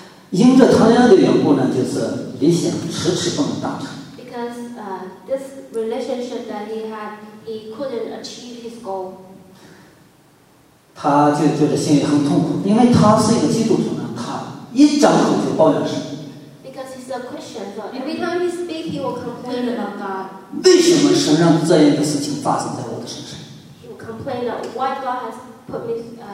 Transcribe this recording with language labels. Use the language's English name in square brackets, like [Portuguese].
[Chinese] 因着谈恋爱的缘故呢，就是理想迟迟不能达成。 [English] Because this relationship that he had, he couldn't achieve his goal. [Chinese] 他就觉得心里很痛苦，因为他是一个基督徒呢，他一张口就抱怨神。 [English] Because he's a Christian, so every time he speaks, he will complain about God. [Chinese] 为什么神让这样的事情发生在我的身上？ [English] He will complain that why God has put me.